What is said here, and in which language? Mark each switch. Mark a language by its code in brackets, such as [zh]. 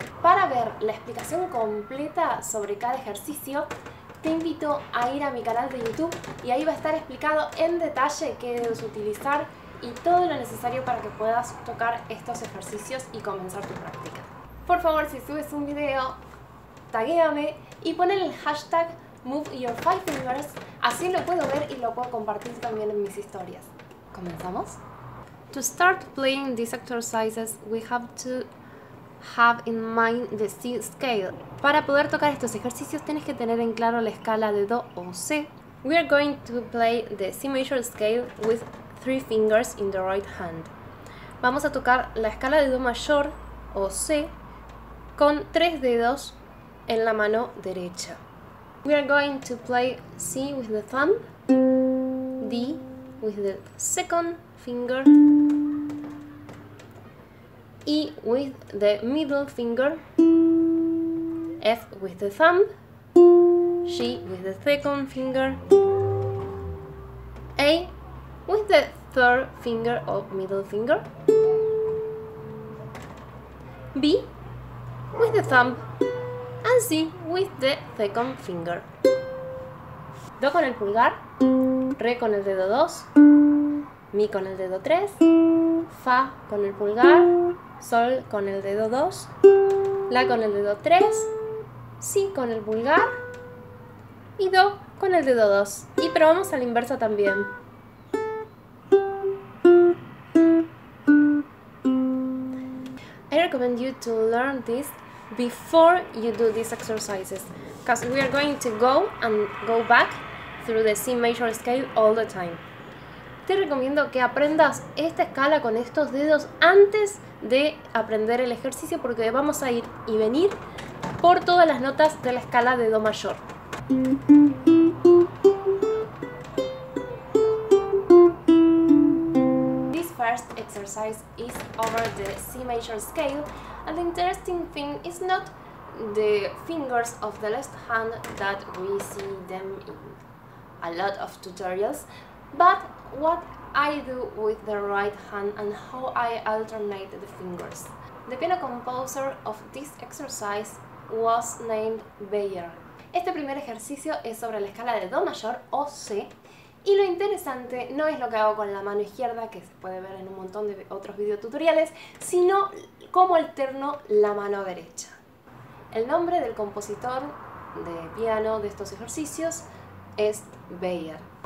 [es] Para ver la explicación completa sobre cada ejercicio, te invito a ir a mi canal de YouTube y ahí va a estar explicado en detalle qué dedos utilizar y todo lo necesario para que puedas tocar estos ejercicios y comenzar tu práctica. Por favor, si subes un video, taguéame y pon el hashtag moveyour5fingers, así lo puedo ver y lo puedo compartir también en mis historias. ¿Comenzamos? [en] To start playing these exercises, we have to have in mind the C scale. [es] Para poder tocar estos ejercicios, tienes que tener en claro la escala de Do o C. [en] We are going to play the C major scale with 3 fingers in the right hand. [es] Vamos a tocar la escala de Do mayor o C con 3 dedos en la mano derecha. [en] We are going to play C with the thumb, D with the second finger, E with the middle finger, F with the thumb, G with the second finger, A with the third finger or middle finger, B with the thumb, and C with the second finger. [es] Do con el pulgar, Re con el dedo 2, Mi con el dedo 3, Fa con el pulgar, Sol con el dedo 2, La con el dedo 3, Si con el pulgar y Do con el dedo 2. Y probamos a la inversa también. [en] I recommend you to learn this before you do these exercises, because we are going to go and go back through the C major scale all the time. [es] Te recomiendo que aprendas esta escala con estos dedos antes de aprender el ejercicio porque vamos a ir y venir por todas las notas de la escala de Do mayor. [en] This first exercise is over the C major scale, and the interesting thing is not the fingers of the left hand that we see them in a lot of tutorials, but what I do with the right hand and how I alternate the fingers. The piano composer of this exercise was named Bayer. [es] Este primer ejercicio es sobre la escala de Do mayor o C, y lo interesante no es lo que hago con la mano izquierda, que se puede ver en un montón de otros videotutoriales, sino cómo alterno la mano derecha. El nombre del compositor de piano de estos ejercicios es Bayer.